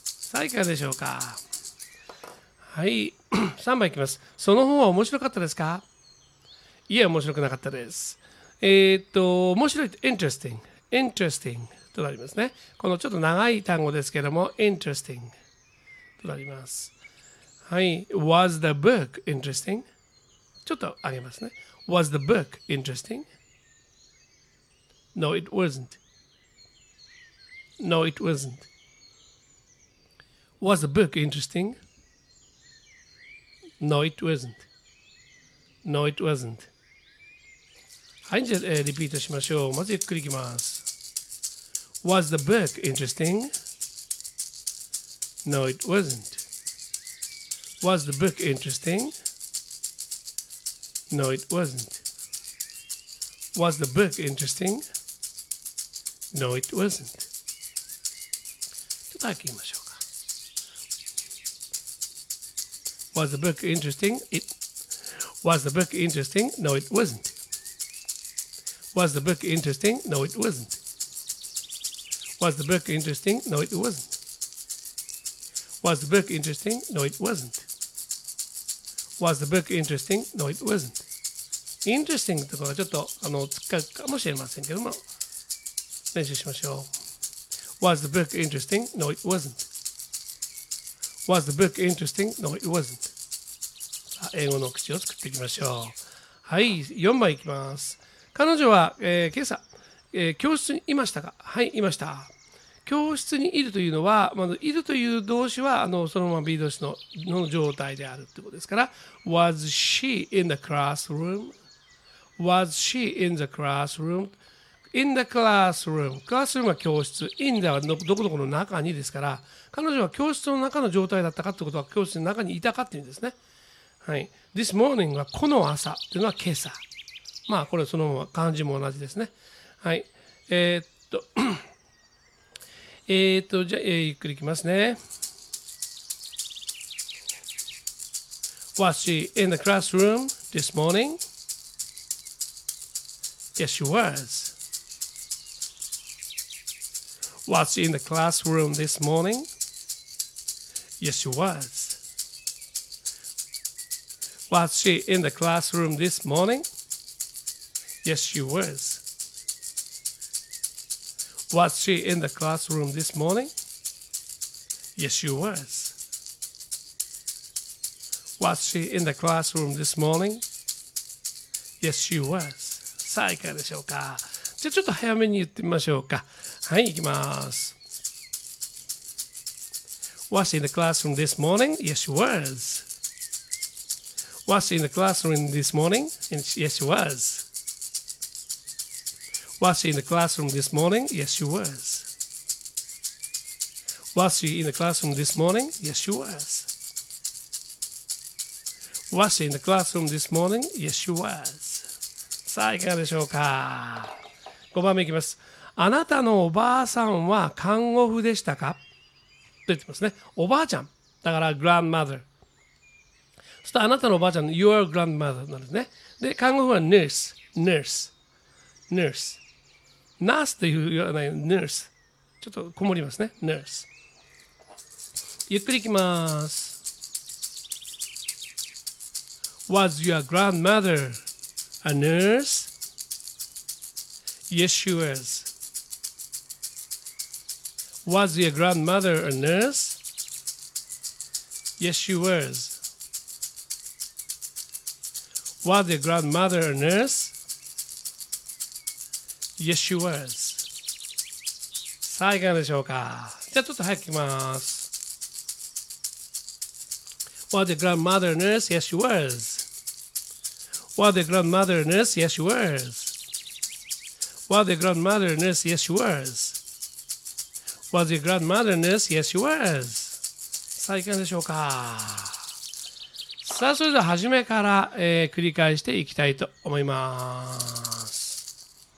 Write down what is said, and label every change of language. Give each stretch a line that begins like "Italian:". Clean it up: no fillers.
Japanese: さあ、いかがでしょうか。はい、3番いきます。その本は面白かったですか。いや、面白くなかったです。面白い、interesting。interesting となりますね。このちょっと長い単語ですけども、interesting となります。
English: はい、was the book interesting?
Japanese: ちょっと上げますね。
English: was the book interesting? No, it wasn't. No, it wasn't. Was the book interesting? No, it wasn't. No, it wasn't.
Japanese: はい、じゃあ、リピートしましょう。まずゆっくりいきます。
English: Was the book interesting? No, it wasn't. Was the book interesting? No, it wasn't. Was the book interesting? No, it wasn't.
Japanese: ちょっと聞きましょうか。
English: Was the book interesting? It was the book interesting? No, it wasn't. Was the book interesting? No, it wasn't. Was the book interesting? No, it wasn't. Was the book interesting? No, it wasn't. Was the book interesting? No, it wasn't.
Japanese: Interesting とかはちょっと使うかもしれませんけども、練習しましょう。
English: Was the book interesting? No, it wasn't. Was the book interesting? No, it wasn't.
Japanese: さあ、英語の口を作っていきましょう。はい、4番いきます。彼女は、今朝、教室にいましたか？はい、いました。教室にいるというのは、まずいるという動詞はそのまま B 動詞 の状態であるということですから、
English: Was she in the classroom? Was she in the classroom? In the classroom.
Japanese: Classroom は教室。In ではどこどこの中にですから、彼女は教室の中の状態だったかということは、教室の中にいたかっていうんですね。はい。 This morning はこの朝というのは今朝。まあ、これそのまま漢字も同じですね。はい。じゃあ、ゆっくりいきますね。
English: Was she in the classroom this morning? Yes, she was. Was she in the classroom this morning? Yes, she was. Was she in the classroom this morning? Yes, she was. Was she in the classroom this morning? Yes, she was. Was she in the classroom this morning? Yes, she was.
Japanese: さあ、いかがでしょうか。じゃあちょっと早めに言ってみましょうか。はい、行きます。
English: Was she in the classroom this morning? Yes, she was. Was she in the classroom this morning? Yes, she was. Was she in the classroom this morning? Yes, she was. Was she in the classroom this morning? Yes, she was. Was she in the classroom this morning? Yes, she was.
Japanese: さあ、いかがでしょうか。5番目いきます。あなたのおばあさんは看護婦でしたか？と言ってますね。おばあちゃん。だから、grandmother。そしたら、あなたのおばあちゃん、your grandmother なんですね。で、看護婦は nurse。
English: nurse。 nurse。
Japanese: nurse という言わない、nurse。ちょっとこもりますね。nurse。ゆっくりいきます。
English: Was your grandmother a nurse? Yes, she was. Was your grandmother a nurse? Yes, she was. Was your grandmother a nurse? Yes, she was.
Japanese: さあ、いかがでしょうか。じゃあ、ちょっと早く聞きます。
English: Was your grandmother a nurse? Yes, she was. Was the grandmother a nurse? Yes, she was. Was the grandmother a nurse? Yes, she was. Was the grandmother a nurse? Yes, she was.
Japanese: さあ、いかがでしょうか。さあ、それでは初めから、繰り返していきたいと思います。